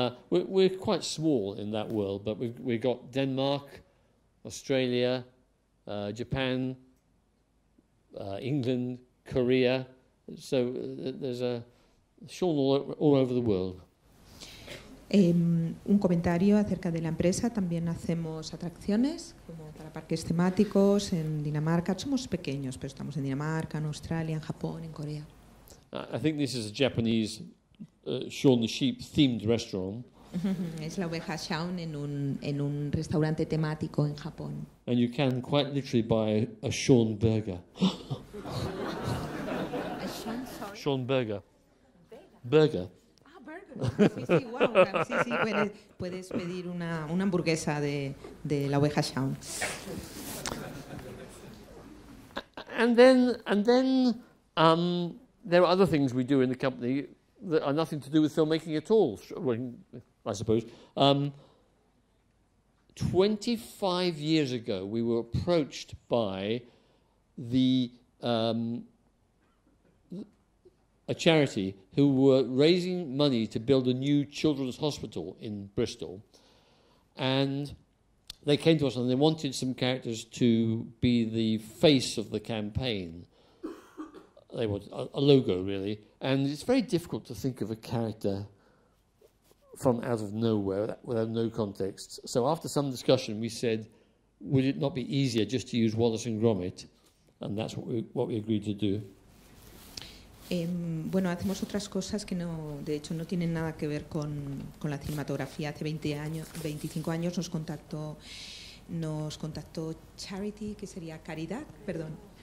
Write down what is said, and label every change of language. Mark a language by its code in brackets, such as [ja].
[en] We're quite small in that world, but we've got Denmark, Australia, Japan, England, Korea. So there's a Shaun all over the world. [es] Un comentario acerca de la empresa. También hacemos atracciones como para parques temáticos en Dinamarca. Somos pequeños, pero estamos en Dinamarca, en Australia, en Japón, en Corea. [en] I think this is a Japanese Shaun the Sheep themed restaurant. [es] Es la oveja Shaun en un restaurante temático en Japón. [en] And you can quite literally buy a Shaun burger. Shaun burger. Burger. Ah, burger. [es] Sí, sí, wow. Sí, sí, puedes pedir una hamburguesa de la oveja Shaun. [en] And then there are other things we do in the company that are nothing to do with filmmaking at all, I suppose. 25 years ago, we were approached by the a charity who were raising money to build a new children's hospital in Bristol. And they came to us and they wanted some characters to be the face of the campaign. They wanted a logo, really. And it's very difficult to think of a character from out of nowhere without no context. So after some discussion, we said, would it not be easier just to use Wallace and Gromit? And that's what we agreed to do. [es] Bueno, hacemos otras cosas que no, de hecho, no tienen nada que ver con la cinematografía. Hace 25 años nos contactó Charity, que sería Caridad, perdón.